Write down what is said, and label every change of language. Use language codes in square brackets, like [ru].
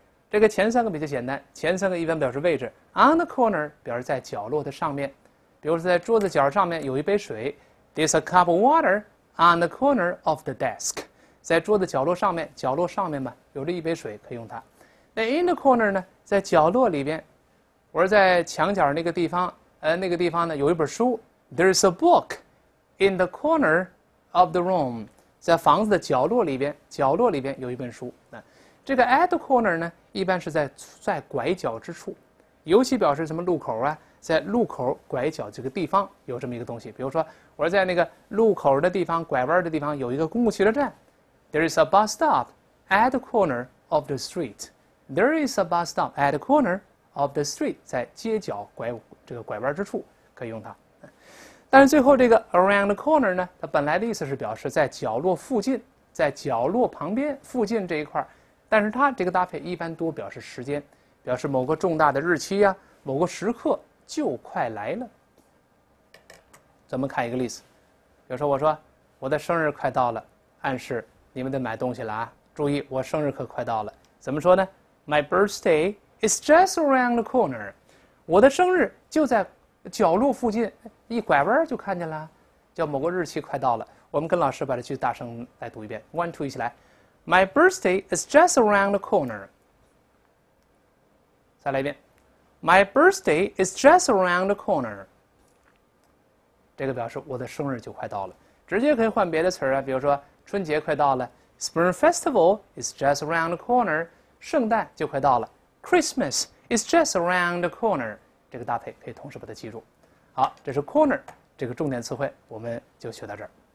[zh] 这个前三个比较简单，前三个一般表示位置， [en] on the corner [zh] 表示在角落的上面，比如说在桌子角上面有一杯水， [en] there's a cup of water on the corner of the desk。 [zh] 在桌子角落上面，角落上面嘛，有着一杯水，可以用它。那 [en] in the corner [zh] 呢，在角落里边，我说在墙角那个地方，那个地方呢，有一本书。 [en] There's a book in the corner of the room。 [zh] 在房子的角落里边，角落里边有一本书。这个 [en] at the corner [zh] 呢，一般是在拐角之处，尤其表示什么路口啊，在路口拐角这个地方有这么一个东西。比如说，我说在那个路口的地方，拐弯的地方有一个公共汽车站。 [en] There is a bus stop at the corner of the street. There is a bus stop at the corner of the street. [zh] 在街角拐弯之处可以用它。但是最后这个 [en] around the corner [zh] 呢，它本来的意思是表示在角落附近，在角落旁边附近这一块，但是它这个搭配一般多表示时间，表示某个重大的日期啊，某个时刻就快来了。咱们看一个例子，比如说我说我的生日快到了，暗示你们得买东西了啊！注意，我生日可快到了。怎么说呢？ [en] My birthday is just around the corner。 [zh] 我的生日就在角落附近，一拐弯就看见了。叫某个日期快到了。我们跟老师把这句大声来读一遍， [en] one two [zh] 一起来。 [en] My birthday is just around the corner。 [zh] 再来一遍。 [en] My birthday is just around the corner。 [zh] 这个表示我的生日就快到了。直接可以换别的词啊，比如说。春节快到了， [en] Spring Festival is just around the corner。 [zh] 圣诞就快到了， [en] Christmas is just around the corner。 [zh] 这个搭配可以同时把它记住。好，这是 corner 这个重点词汇，我们就学到这儿。